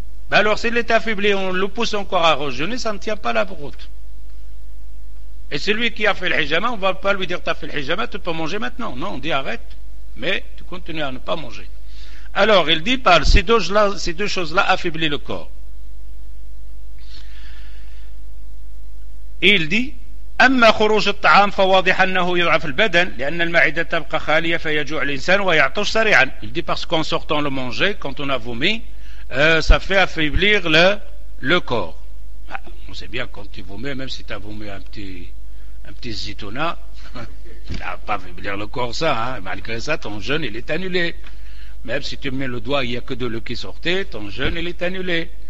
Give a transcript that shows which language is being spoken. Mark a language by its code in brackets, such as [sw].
[fr] Ben alors, s'il est affaibli, on le pousse encore à rejeûner, ça ne tient pas la route. Et celui qui a fait le hijama, on ne va pas lui dire, tu as fait le hijama, tu peux manger maintenant. Non, on dit, arrête, mais tu continues à ne pas manger. Alors, il dit, par ces deux choses-là affaiblissent le corps. Et il dit, [ar] أما خروج الطعام فواضح أنه يضعف البدن لأن المعدة تبقى خالية فيجوع الإنسان ويعطش سريعا. [fr] Il dit parce qu'en sortant le manger, quand on a vomi, ça fait affaiblir le corps. Ah, on sait bien quand tu vomis, même si tu as vomi un petit zitouna, ça va pas affaiblir le corps ça. Hein? Malgré ça, ton jeûne il est annulé. Même si tu mets le doigt, il n'y a que de l'eau qui sortait, ton jeûne il est annulé.